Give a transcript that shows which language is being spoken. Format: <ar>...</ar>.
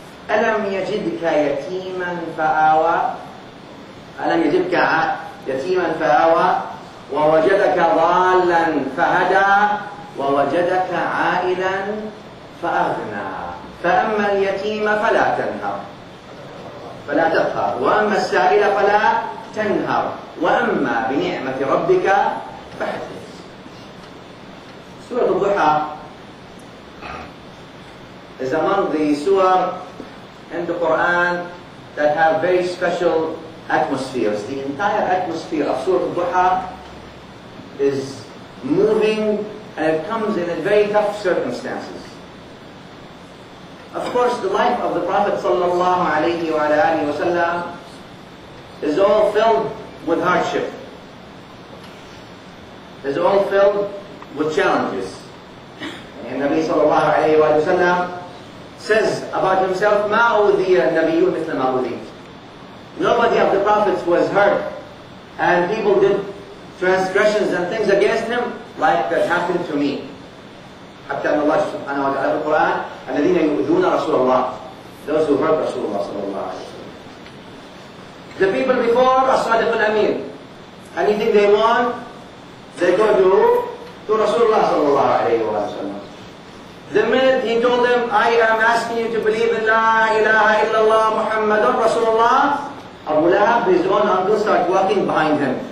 <ar>ألم يجدك يتيما فآوى، ألم يجدك يتيما فآوى، ووجدك ضالا فهدى، ووجدك عائلا فأغنى، فأما اليتيم فلا تنهر فلا تقهر، وأما السائل فلا تنهر، وأما بنعمة ربك فحدث.</ar> <en>سورة الضحى is among the سور in the Quran that have very special atmospheres. The entire atmosphere of سورة الضحى is moving and it comes in a very tough circumstances. Of course, the life of the Prophet sallallahu alayhi wa alayhi wa sallam is all filled with hardship, is all filled with challenges. And Nabi sallallahu alayhi wa sallam says about himself,</en> <ar>مَا أُوذِيَ النَّبِيُّ مِثْلَ مَا أُوذِيَ.</ar> <en>Nobody of the Prophets was hurt, and people did transgressions and things against him like that happened to me.</en> <ar>حتى أن الله سبحانه وتعالى في القرآن الذين يؤذون رسول الله،</ar> <en>those who hurt</en> <ar>رسول الله صلى الله عليه وسلم.</ar> <en>The people before الصادق الأمين، anything they want they go to رسول الله صلى الله عليه وسلم. The minute he told them I am asking you to believe in</en> <ar>لا إله إلا الله محمد رسول الله،</ar> <en>أبو لهب his own uncle start walking behind him.</en>